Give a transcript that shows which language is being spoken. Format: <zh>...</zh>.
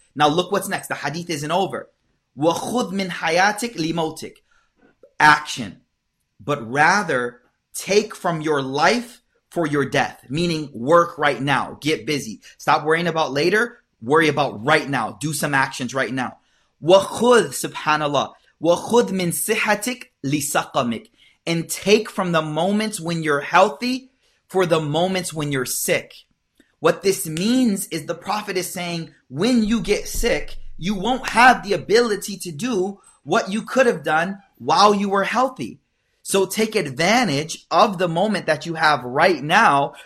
<en>Now look what's next. The hadith isn't over.</en> <ar>وَخُذْ مِنْ حَيَاتِكْ لِمَوْتِكْ.</ar> <en>Action. But rather, take from your life for your death. Meaning work right now. Get busy. Stop worrying about later. Worry about right now. Do some actions right now.</en> <ar>وَخُذْ, subhanAllah, وَخُذْ مِنْ صِحَتِكْ لِسَقَمِكْ.</ar> <en>And take from the moments when you're healthy for the moments when you're sick. What this means is the Prophet is saying, when you get sick, you won't have the ability to do what you could have done while you were healthy. So take advantage of the moment that you have right now.</en>